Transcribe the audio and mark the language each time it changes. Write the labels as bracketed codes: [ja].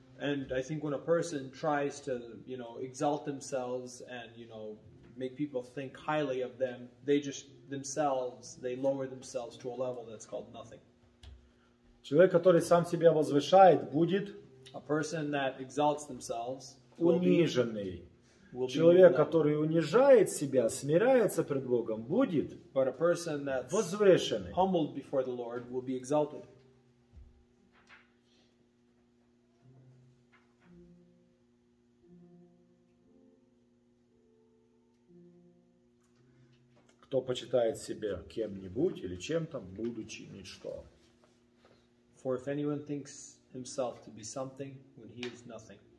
[en] And I think when a person tries to, you know, exalt themselves and, you know, make people think highly of them, they just themselves, they lower themselves to a level that's called nothing. [ru] Человек, который сам себя возвышает, будет [en] a person that exalts themselves, [ru] униженный. Человек, который унижает себя, смиряется перед Богом, будет [en] but a person that's [ru] возвышенный. [en] Humbled before the Lord will be exalted. [ru] Кто почитает себя кем-нибудь или чем-то, будучи ничто. [en] For if anyone thinks himself to be something when he is nothing.